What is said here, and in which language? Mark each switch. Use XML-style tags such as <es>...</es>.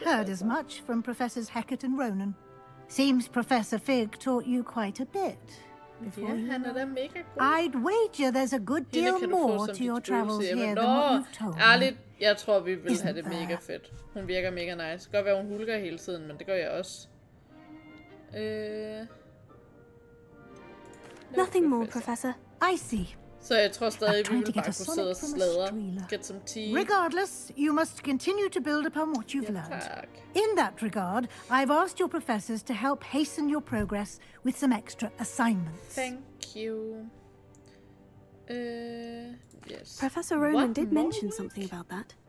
<en>I heard as much from Professors Hecate and Ronan. Seems Professor Fig taught you quite a bit. Yeah, you... I'd wager there's a good deal more to your travels here than what you've told.</en> <da>Ærligt, jeg tror vi vil have det mega fedt. Hun virker mega nice. Det kan godt være hun hulker hele tiden, men det gør jeg også.</da> <en>Nothing more, Professor. I see.</en> <da>Så jeg tror stadig vi vil bare kunne sidde og sladre.</da> <en>Get some tea. Regardless, you must continue to build upon what you've learned.</en> <da>Tak.</da> <en>In that regard, I've asked your professors to help hasten your progress with some extra assignments. Thank you. Yes. Professor Ronan did mention something about that.</en>